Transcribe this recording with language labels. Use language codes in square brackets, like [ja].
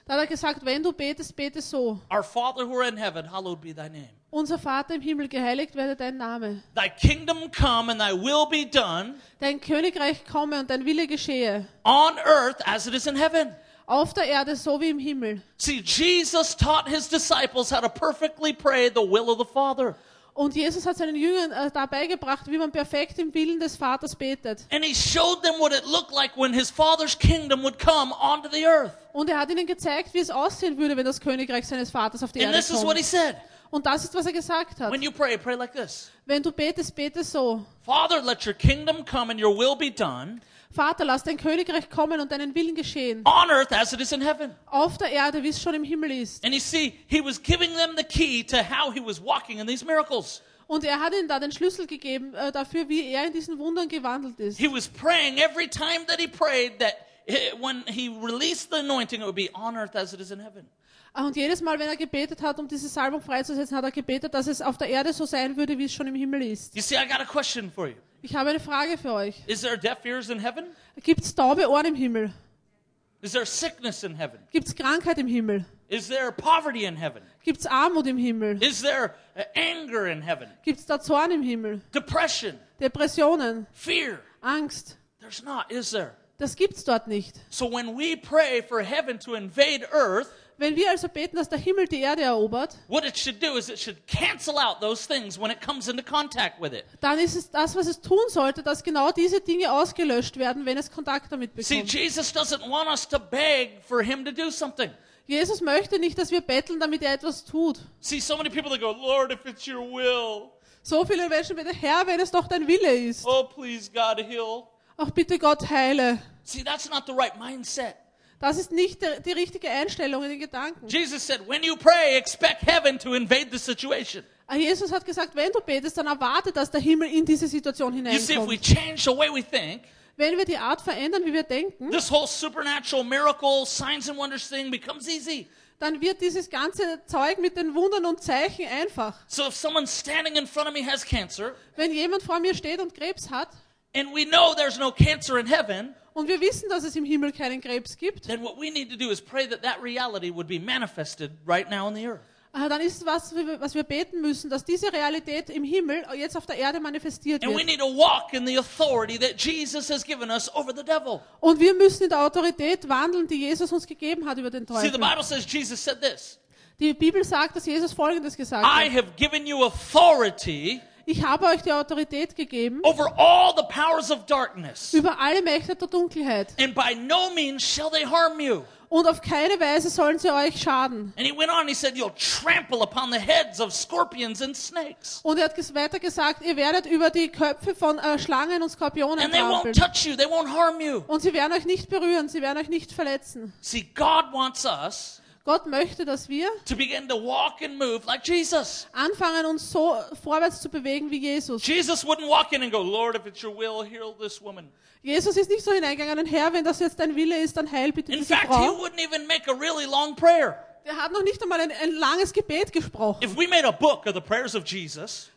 [de] Da hat er gesagt, wenn du betest, bete so. [en] Our Father who are in heaven, hallowed be thy name. [de] Unser Vater im Himmel, geheiligt werde dein Name. [en] Thy kingdom come and thy will be done. [de] Dein Königreich komme und dein Wille geschehe. [en] On earth as it is in heaven. [de] Auf der Erde so wie im Himmel. [en] See, Jesus taught his disciples how to perfectly pray the will of the Father. [de] Und Jesus hat seinen Jüngern dabei gebracht, wie man perfekt im Willen des Vaters betet. [en] And he showed them what it looked like when his Father's kingdom would come onto the earth. [de] Und er hat ihnen gezeigt, wie es aussehen würde, wenn das Königreich seines Vaters auf die [en] and [de] Erde kommt. [en] And this is what he said. [de] Und das ist, was er gesagt hat. [en] When you pray, pray like this. [de] Wenn du betest, bete so. [en] Father, let your kingdom come and your will be done. [de] Vater, lass dein Königreich kommen und deinen Willen geschehen. [en] On earth as it is in heaven. [de] Auf der Erde, wie es schon im Himmel ist. [en] And you see, he was giving them the key to how he was walking in these miracles. [de] Und er hat ihnen da den Schlüssel gegeben dafür, wie er in diesen Wundern gewandelt ist. [en] He was praying every time that he prayed that when he released the anointing, it would be on earth as it is in heaven. [de] Und jedes Mal, wenn er gebetet hat, um diese Salbung freizusetzen, hat er gebetet, dass es auf der Erde so sein würde, wie es schon im Himmel ist. [en] You see, I got a question for you. [de] Ich habe eine Frage für euch. [en] Is there deaf ears in heaven? [de] Gibt's taube Ohren im Himmel? [en] Is there sickness in heaven? [de] Gibt's Krankheit im Himmel? [en] Is there poverty in heaven? [de] Gibt's Armut im Himmel? [en] Is there anger in heaven? [de] Gibt's da Zorn im Himmel? [en] Depression. [de] Depressionen. [en] Fear. [de] Angst. [en] There's not, is there? [de] Das gibt's dort nicht. [en] So when we pray for heaven to invade earth, [de] wenn wir also beten, dass der Himmel die Erde erobert, [en] what it should do is it should cancel out those things when it comes into contact with it. [de] Dann ist es das, was es tun sollte, dass genau diese Dinge ausgelöscht werden, wenn es Kontakt damit bekommt. [en] See, Jesus doesn't want us to beg for him to do something. [de] Jesus möchte nicht, dass wir betteln, damit er etwas tut. [en] See, so many people that go, Lord, if it's your will. [de] So viele Menschen beten, Herr, wenn es doch dein Wille ist. [en] Oh, please, God, heal. [de] Ach, bitte Gott, heile. [en] See, that's not the right mindset. [de] Das ist nicht die richtige Einstellung in den Gedanken. [en] Jesus said, when you pray, expect heaven to invade the situation. [de] Jesus hat gesagt, wenn du betest, dann erwarte, dass der Himmel in diese Situation hineinkommt. [en] You see, if we change the way we think, [de] Wenn wir die Art verändern, wie wir denken, [en] this whole supernatural miracle, signs and wonders thing becomes easy. [de] Dann wird dieses ganze Zeug mit den Wundern und Zeichen einfach. [en] So if someone standing in front of me has cancer, [de] wenn jemand vor mir steht und Krebs hat, [en] and we know there's no cancer in heaven, [de] und wir wissen, dass es im Himmel keinen Krebs gibt, [en] then what we need to do is pray that that reality would be manifested right now on the earth. [de] Dann ist es was wir beten müssen, dass diese Realität im Himmel jetzt auf der Erde manifestiert wird. Und wir müssen in der Autorität wandeln, die Jesus uns gegeben hat über den Teufel. [en] See, the Bible says Jesus said this. [de] Die Bibel sagt, dass Jesus Folgendes gesagt hat. [en] I have given you authority. [de] Ich habe euch die Autorität gegeben [en] over all the powers of darkness. [de] Über alle Mächte der Dunkelheit. [en] And by no means shall they harm you. [de] Und auf keine Weise sollen sie euch schaden. [en] And he went on, he said, you'll trample upon the heads of scorpions and snakes. [de] Und er hat weiter gesagt, ihr werdet über die Köpfe von Schlangen und Skorpionen trampeln. [en] And they won't touch you, they won't harm you. [de] Und sie werden euch nicht berühren, sie werden euch nicht verletzen. [en] See, God wants us, [de] Gott möchte, dass wir [en] to begin to walk and move like Jesus. [de] Anfangen, uns so vorwärts zu bewegen wie Jesus. [en] Jesus wouldn't walk in and go, Lord, if it's your will, heal this woman. [de] Jesus ist nicht so hineingegangen, und Herr, wenn das jetzt dein Wille ist, dann heil bitte diese Frau. [en] In fact, he wouldn't even make a really long prayer. [de] Er hat noch nicht einmal ein langes Gebet gesprochen. [en] If we made a book of the prayers of Jesus,